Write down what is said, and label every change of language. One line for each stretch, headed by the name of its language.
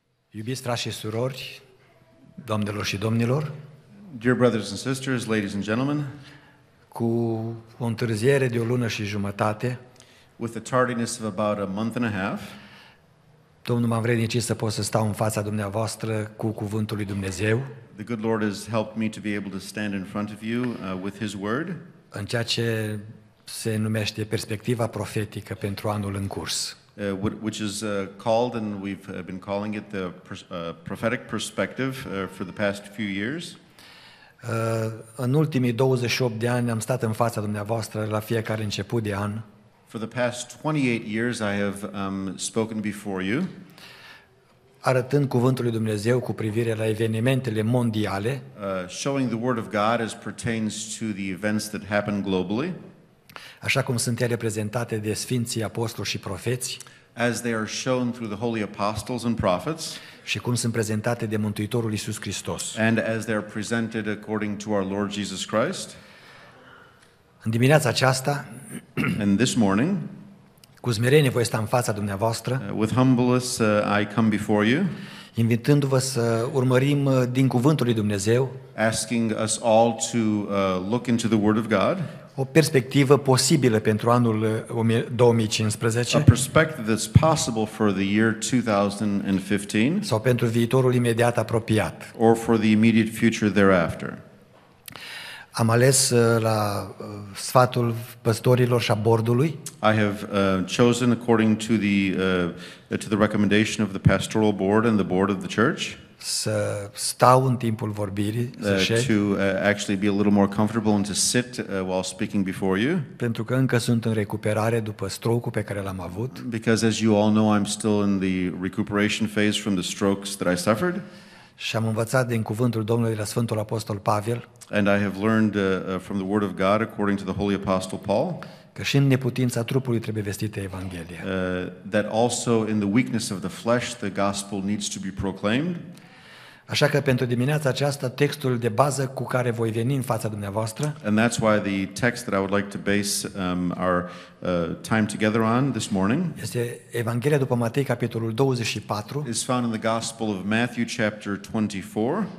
Romanian: Iubiți frați și surori, doamnelor și domnilor.
English: Dear brothers and sisters, ladies and gentlemen.
Romanian: Cu o întârziere de o lună și jumătate.
English: With a tardiness of about a month and a half.
Romanian: Domnul m-a învrednicit să pot să stau în fața dumneavoastră cu cuvântul lui Dumnezeu.
English: The good Lord has helped me to be able to stand in front of you with his word.
Romanian: În ceea ce se numește perspectiva profetică pentru anul în curs.
English: Which is called, and we've been calling it, the prophetic perspective for the past few years.
Romanian: În ultimii 28 de ani am stat în fața dumneavoastră la fiecare început de an.
English: For the past 28 years I have spoken before you.
Romanian: Arătând cuvântul lui Dumnezeu cu privire la evenimentele mondiale.
English: Showing the word of God as pertains to the events that happen globally.
Romanian: Așa cum sunt ele prezentate de sfinții apostoli și profeți,
English: as they are shown through the holy apostles and prophets,
Romanian: și cum sunt prezentate de Mântuitorul Iisus Hristos.
English: And as they are presented according to our Lord Jesus Christ.
Romanian: În dimineața aceasta,
English: and this morning,
Romanian: cu smerenie voi sta în fața dumneavoastră,
English: with humbleness I come before you,
Romanian: invitându-vă să urmărim din cuvântul lui Dumnezeu,
English: asking us all to look into the word of God.
Romanian: O perspectivă posibilă pentru anul 2015.
English: A perspective that's possible for the year 2015.
Romanian: Sau pentru viitorul imediat apropiat.
English: Or for the immediate future thereafter.
Romanian: Am ales la sfatul păstorilor și a bordului.
English: I have chosen according to the recommendation of the pastoral board and the board of the church.
Romanian: Să stau în timpul vorbirii,
English: to actually be a little more comfortable and to sit while speaking before you.
Romanian: Pentru că încă sunt în recuperare după stroke-ul pe care l-am avut.
English: Because as you all know, I'm still in the recuperation phase from the strokes that I suffered.
Romanian: Și am învățat din cuvântul Domnului de la Sfântul Apostol Pavel.
English: And I have learned from the word of God according to the Holy Apostle Paul.
Romanian: Că și în neputința trupului trebuie vestită Evanghelia.
English: That also in the weakness of the flesh the gospel needs to be proclaimed.
Romanian: Așa că pentru dimineața aceasta textul de bază cu care voi veni în fața dumneavoastră.
English: And that's why the text that I would like to base our time together on this morning.
Romanian: Este Evanghelia după Matei capitolul 24.
English: Is found in the Gospel of Matthew chapter 24.